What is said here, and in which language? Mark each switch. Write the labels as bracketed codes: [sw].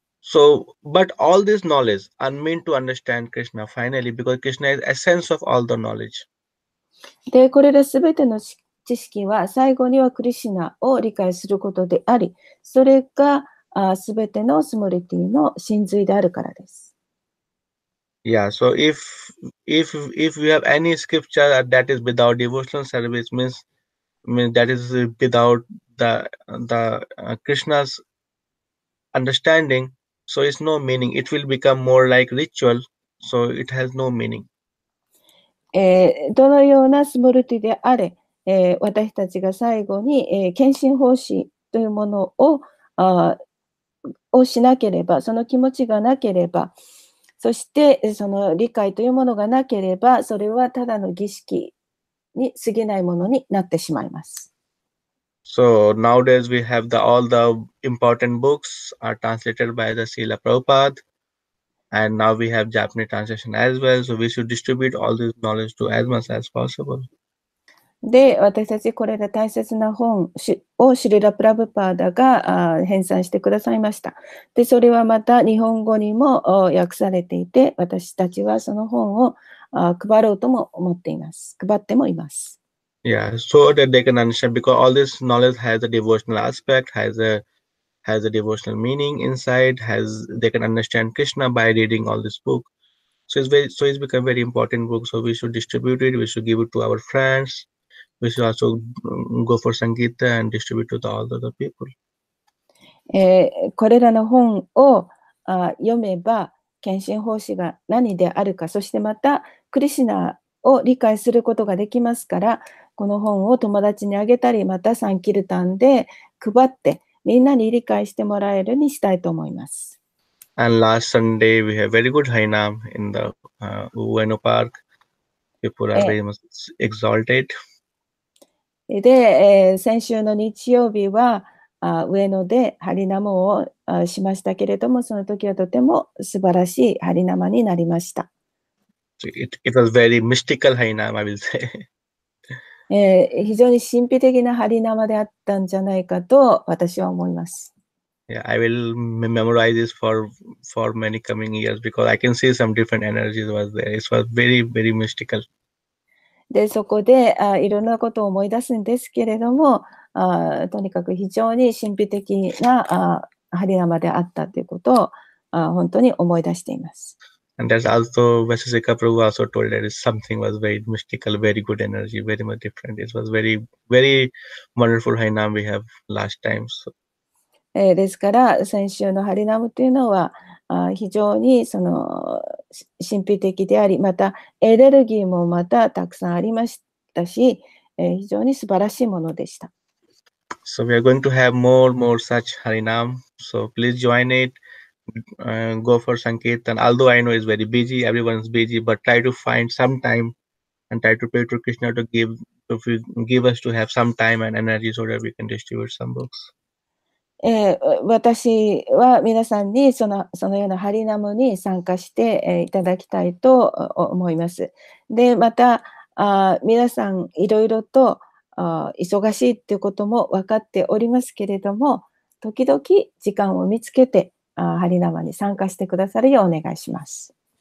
[en] So, but all this knowledge are meant to understand Krishna finally, because Krishna is essence of all the knowledge. [ja] で、これらすべての知識は最後にはクリシナを理解することであり、それがすべてのスモリティの真髄であるからです。 [en] Yeah. So if we have any scripture that is without devotional service means that is without the Krishna's understanding. So it's no meaning. It will become more like ritual. So it has no meaning. [ja] どのようなスモルティであれ、私たちが最後に、献身奉仕というものをしなければ、その気持ちがなければ、そしてその理解というものがなければ、それはただの儀式に過ぎないものになってしまいます。 [en] So nowadays we have all the important books are translated by the Srila Prabhupada and now we have Japanese translation as well. So we should distribute all this knowledge to as much as possible. [ja] で、私たちこれら大切な本をシリラ・プラブパーダが編纂してくださいました。で、それはまた日本語にも訳されていて、私たちはその本を配ろうとも思っています。配ってもいます。 [en] Yeah, so that they can understand because all this knowledge has a devotional aspect, has a devotional meaning inside, has they can understand Krishna by reading all this book. So it's become a very important book. So we should distribute it, we should give it to our friends, we should also go for Sangeeta and distribute to all the other people. [ja] これらの本を読めば、献身奉仕が何であるか、そしてまた、クリシナを理解することができますから、この本を友達にあげたり、またサンキルタンで配って、みんなに理解してもらえるにしたいと思います。 [en] And last Sunday, we have very good Harinaam in the Ueno Park. People are very much exalted. [ja] で、先週の日曜日は、上野でハリナムをしましたけれども、その時はとても素晴らしいハリナマになりました。 [en] It was very mystical Harinaam, I will say. [ja] 非常に神秘的なハリナマであったんじゃないかと私は思います。 [en] Yeah, I will memorize this for many coming years because I can see some different energies was there. It was very, very mystical. [ja] で、そこでいろんなことを思い出すんですけれども、とにかく非常に神秘的なハリナマであったということを本当に思い出しています。 [en] And that's also Vaisheshika Prabhu also told that something was very mystical, very good energy, very much different. It was very, very wonderful Harinaam we have last time. So. [ja] ですから先週のハリナムというのは非常にその神秘的であり、またエネルギーもまたたくさんありましたし、非常に素晴らしいものでした。 [en] So we are going to have more such Harinam. So please join it. Go for Sankirtan. Although I know it's very busy, everyone's busy, but try to find some time and try to pray to Krishna to give us to have some time and energy so that we can distribute some books. [ja] 私は皆さんにそのようなハリナムに参加していただきたいと思います。で、また皆さんいろいろと忙しいということも分かっておりますけれども、時々時間を見つけてハリナムに参加してくださるようお願いします。